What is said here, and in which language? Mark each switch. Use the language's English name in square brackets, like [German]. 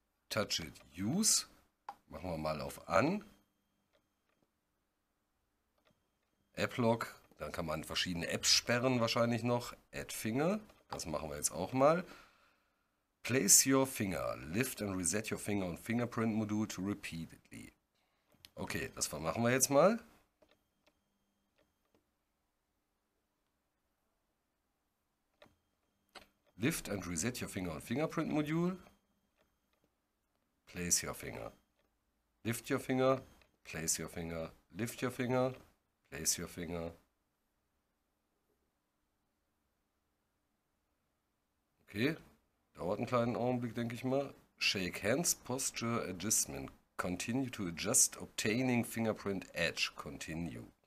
[English] Touch it, use. [German] Machen wir mal auf an. [English] App Lock. [German] Dann kann man verschiedene Apps sperren wahrscheinlich noch. [English] Add Finger. [German] Das machen wir jetzt auch mal. [English] Place your finger. Lift and reset your finger on fingerprint module to repeatedly. [German] Okay, das machen wir jetzt mal. [English] Lift and reset your finger on fingerprint module. Place your finger, lift your finger, place your finger, lift your finger, place your finger. [German] Okay, dauert einen kleinen Augenblick, denke ich mal. [English] Shake hands, posture adjustment, continue to adjust obtaining fingerprint edge, continue.